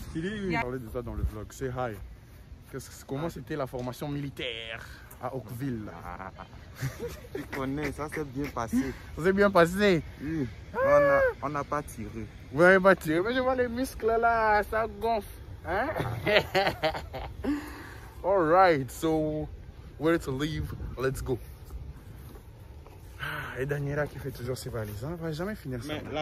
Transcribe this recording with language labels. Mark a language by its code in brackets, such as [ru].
[fr] Il est parlé de ça dans le vlog. [en] Say hi. [fr] Comment c'était la formation militaire à Oakville? Tu connais, ça s'est bien passé. Ça s'est bien passé? Oui. On a pas tiré. Vous n'avez pas tiré? Mais je vois les muscles là, ça gonfle. [en] Hein? All right, so, where to leave? Let's go. [fr] Et Daniela qui fait toujours ses valises, hein, elle va jamais finir ça.